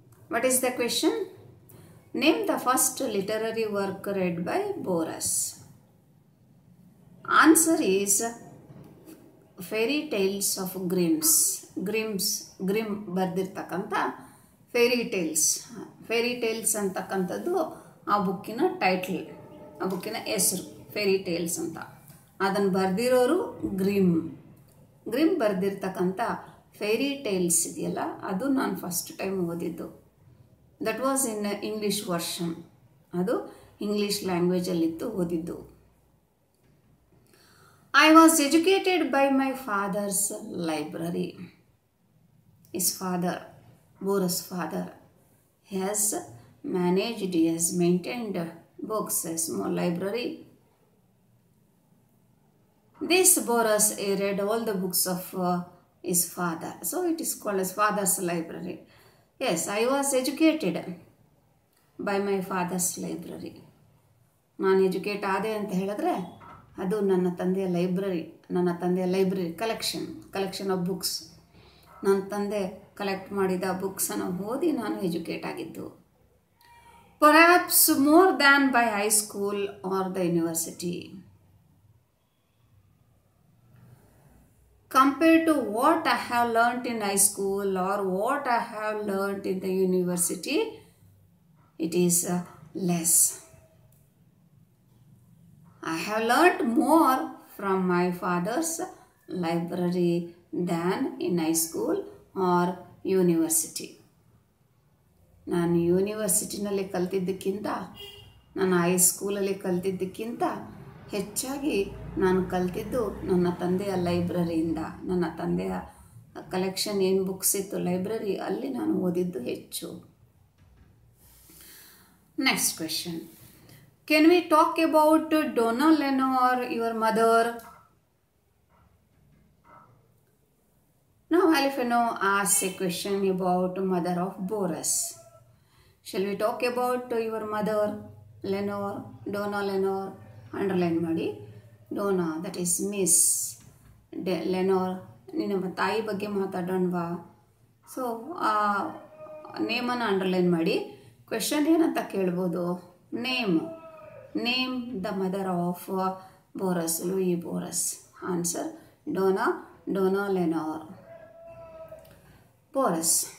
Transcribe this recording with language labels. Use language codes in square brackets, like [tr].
[en] What is the question? Name the first literary work read by Boris. Answer is Fairy Tales of Grimm's. Grimm [kn] Bardirthakanta [en] Fairy Tales. [kn] Ferry tiles ಅಂತಕ್ಕಂಥದ್ದು ಆ ಬುಕ್ಕಿನ title, ಆ ಬುಕ್ಕಿನ ಹೆಸರು ferry tiles ಅಂತ. ಅದನ್ನು ಬರೆದಿರೋರು grim ಬರೆದಿರ್ತಕ್ಕಂಥ ferry tiles ಇದೆಯಲ್ಲ, ಅದು ನಾನು first time ಓದಿದ್ದು. [en] that was in English version, [kn] ಅದು ಇಂಗ್ಲೀಷ್ ಲ್ಯಾಂಗ್ವೇಜಲ್ಲಿತ್ತು ಓದಿದ್ದು. [en] I was educated by my father's library. Is father, Boris father, he has managed, he has maintained books, a small library. This Boris read all the books of his father. So it is called as father's library. Yes, I was educated by my father's library. [kn] ನಾನು educate ಆದೆ ಅಂತ ಹೇಳಿದ್ರೆ ಅದು ನನ್ನ ತಂದೆಯ library, ನನ್ನ ತಂದೆಯ library collection, [en] Collection of books. [kn] ನನ್ನ ತಂದೆ ಕಲೆಕ್ಟ್ ಮಾಡಿದ ಬುಕ್ಸನ್ನು ಓದಿ ನಾನು ಎಜುಕೇಟ್ ಆಗಿದ್ದು. [en] Perhaps more than by high school or the university. Compare to what I have learned in high school or what I have learned in the university, it is less. I have learnt more from my father's library than in high school or university. [kn] ನಾನು ಯೂನಿವರ್ಸಿಟಿನಲ್ಲಿ ಕಲ್ತಿದ್ದಕ್ಕಿಂತ, ನಾನು ಹೈಸ್ಕೂಲಲ್ಲಿ ಕಲ್ತಿದ್ದಕ್ಕಿಂತ ಹೆಚ್ಚಾಗಿ ನಾನು ಕಲ್ತಿದ್ದು ನನ್ನ ತಂದೆಯ ಲೈಬ್ರರಿಯಿಂದ. ನನ್ನ ತಂದೆಯ collection ಏನು ಬುಕ್ಸ್ ಇತ್ತು ಲೈಬ್ರರಿ, ಅಲ್ಲಿ ನಾನು ಓದಿದ್ದು ಹೆಚ್ಚು. [en] Next question, can we talk about Donna Lenoir your mother? ನಾವು ಆಲಿಫೆನೋ as a question about mother of Boris. Shall we talk about your mother Lenoir, Donna Lenoir underline ಮಾಡಿ. [kn] ಡೊನಾ [en] that is [kn] ಮಿಸ್ ಲೆನೋರ್, ನಿನ್ನ ತಾಯಿ ಬಗ್ಗೆ ಮಾತಾಡೋಣವಾ? ಸೊ ಆ ನೇಮನ್ನು ಅಂಡರ್ಲೈನ್ ಮಾಡಿ. ಕ್ವೆಶನ್ ಏನಂತ ಕೇಳ್ಬೋದು, [en] Name name the mother of Boris, Louis Boris. Answer, Donna, Donna Lenoir Boris.